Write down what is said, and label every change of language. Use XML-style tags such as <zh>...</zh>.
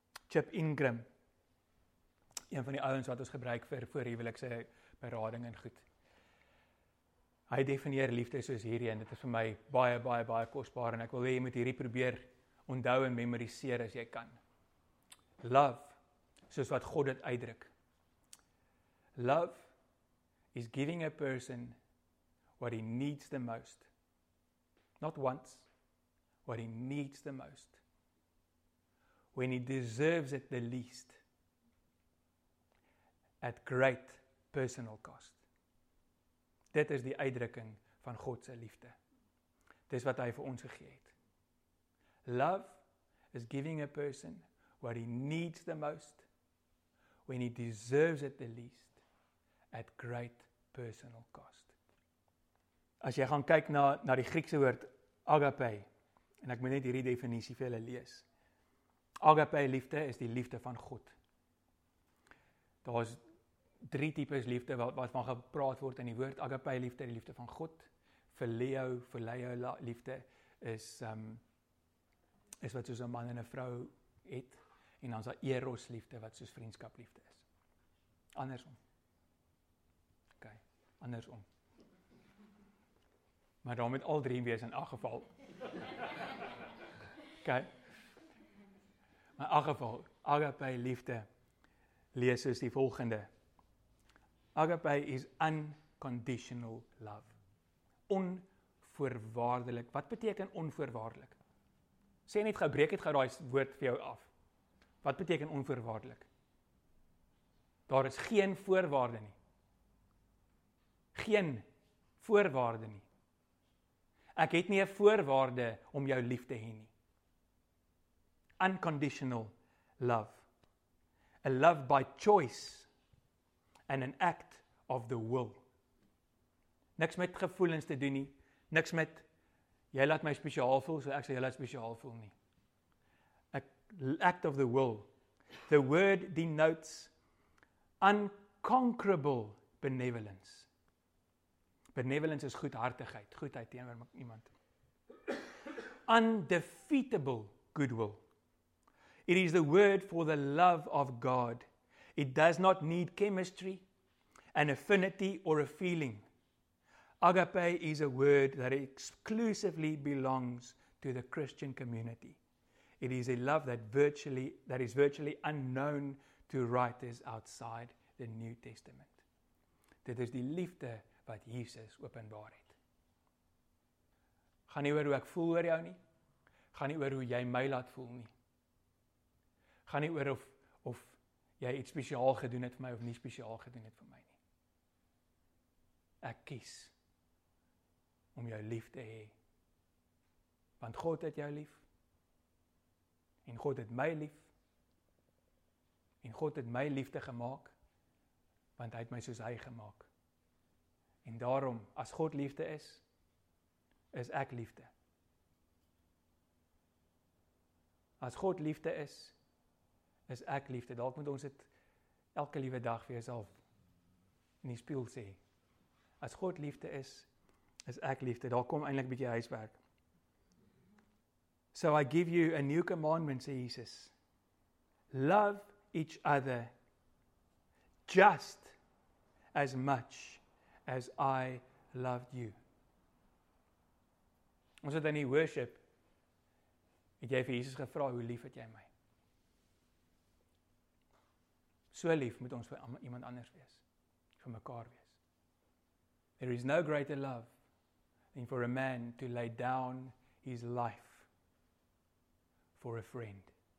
<af>Chip Ingram. Een van die ouens wat ons gebruik vir voorhuwelikse berading en goed. Hy definieer liefde soos hierdie en dit is vir my baie baie baie kosbaar en ek wil hê jy moet hierdie probeer onthou en memoriseer as jy kan. Love, soos wat God dit uitdruk.</af> <en>Love is giving a person what he needs the most. Not once, what he needs the most. When he deserves it the least. At great personal cost.</en> <af>Dit is die uitdrukking van God se liefde. Dis wat hy vir ons gegee het.</af> <en>Love is giving a person what he needs the most when he deserves it the least at great personal cost.</en> <af>As jy gaan kyk na die Griekse woord agape, en ek moet net hierdie definisie vir julle lees. Agape liefde is die liefde van God. Daar's drie tipes liefde wat van gepraat word in die woord agape liefde, die liefde van God. Phileo liefde is wat soos 'n man en 'n vrou het en dan is daar eros liefde wat soos vriendskap liefde is. Andersom. OK, andersom. Maar daar moet al drie wees in elk geval. OK. Maar in elk geval agape liefde lees soos die volgende.</af> <en>Agape is unconditional love.</en> <af>Onvoorwaardelik. Wat beteken onvoorwaardelik? Sê net gou, breek dit gou daai woord vir jou af. Wat beteken onvoorwaardelik? Daar is geen voorwaarde nie. Geen voorwaarde nie. Ek het nie 'n voorwaarde om jou lief te hê nie.</af> <en>Unconditional love. A love by choice and an act of the will.</en> <af>Niks met gevoelens te doen nie. Niks met jy laat my spesiaal voel, so ek sal jou laat spesiaal voel nie.</af> <en>Act of the will. The word denotes unconquerable benevolence.</en> <af>Benevolence is goedhartigheid, goedheid teenoor iemand.</af> <en>Undefeatable goodwill. It is the word for the love of God. It does not need chemistry, an affinity or a feeling. Agape is a word that exclusively belongs to the Christian community. It is a love that is virtually unknown to writers outside the New Testament.</en> <af>Dit is die liefde wat Jesus openbaar het. Gaan nie oor hoe ek voel oor jou nie. Gaan nie oor hoe jy my laat voel nie. Gaan nie oor of jy iets spesiaal gedoen het vir my of nie spesiaal gedoen het vir my nie. Ek kies om jou lief te hê. Want God het jou lief. En God het my lief. En God het my liefde gemaak. Want hy het my soos hy gemaak. En daarom, as God liefde is, is ek liefde. As God liefde is, is ek liefde. Dalk moet ons dit elke liewe dag vir jouself in die spieël sê. As God liefde is, is ek liefde. Daar kom eintlik 'n bietjie huiswerk.</af> <en>So I give you a new commandment,</en> <af>sê Jesus.</af> <en>Love each other just as much as I loved you.</en> <af>Ons het in die worship, het jy vir Jesus gevra, hoe lief het jy my? So lief moet ons vir iemand anders wees, vir mekaar wees.</af> <en>There is no greater love than for a man to lay down his life for a friend.</en>